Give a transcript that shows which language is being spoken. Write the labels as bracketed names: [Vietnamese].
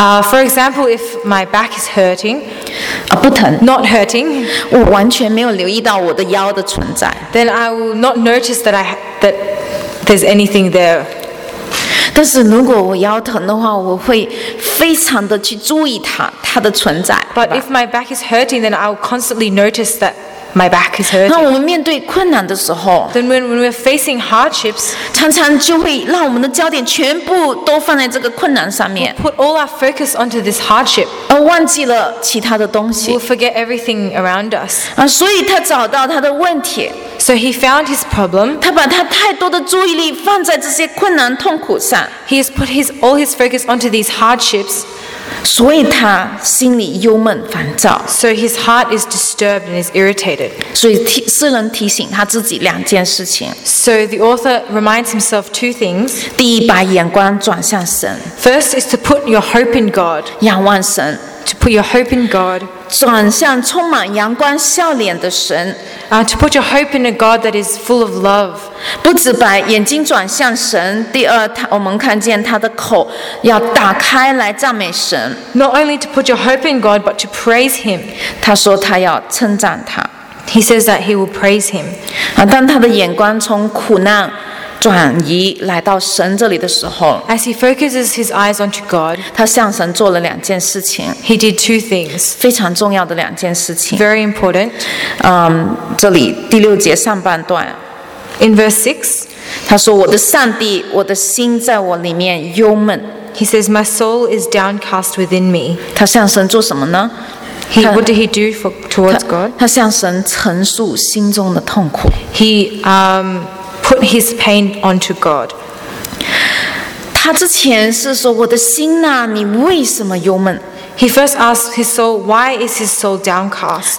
[English] For example, if my back is hurting, [Chinese] 不疼 [English] not hurting, [Chinese] 我完全没有留意到我的腰的存在 [English] then I will not notice that there's anything there. [Chinese] 但是如果我腰疼的话，我会非常的去注意它的存在 [English] But if my back is hurting, then I will constantly notice that my back is hurting. [Chinese] 那我们面对困难的时候 [English] then when we're facing hardships, [Chinese] 常常就会让我们的焦点全部都放在这个困难上面 [English] we'll put all our focus onto this hardship, [Chinese] 而忘记了其他的东西 [English] we'll forget everything around us. [Chinese] 所以他找到他的问题 [English] so he found his problem, [Chinese] 他把他太多的注意力放在这些困难痛苦上 [English] he has put all his focus onto these hardships, [Chinese] 所以他心里忧闷烦躁 [English] so his heart is disturbed and is irritated. [Chinese] 所以诗人提醒他自己两件事情。 [English] So the author reminds himself two things. [Chinese] 第一，把眼光转向神。 [English] First is to put your hope in God. [Chinese] 仰望神。 [English] To put your hope in God. [Chinese] 转向充满阳光笑脸的神。 [English] To put your hope in a God that is full of love. [Chinese] 不只把眼睛转向神，第二，我们看见他的口要打开来赞美神。 [English] Not only to put your hope in God, but to praise Him. [Chinese] 他说他要称赞他。 [English] He says that he will praise him. [Chinese] 当他的眼光从苦难转移来到神这里的时候 [English] ，As he focuses his eyes onto God, [Chinese] 他向神做了两件事情。 [English] He did two things. [Chinese] 非常重要的两件事情。 [English] Very important. [Chinese] 这里第六节上半段 [English] ，In verse 6, [Chinese] 他说：“我的上帝，我的心在我里面忧闷。 [English] ”He says, "My soul is downcast within me." [Chinese] 他向神做什么呢？ [English] What did he do towards God? [Chinese] 他向神陈述心中的痛苦。 [English] He put his pain onto God. [Chinese] 他之前是说我的心哪，你为什么忧闷？ [English] He first asked his soul, why is his soul downcast?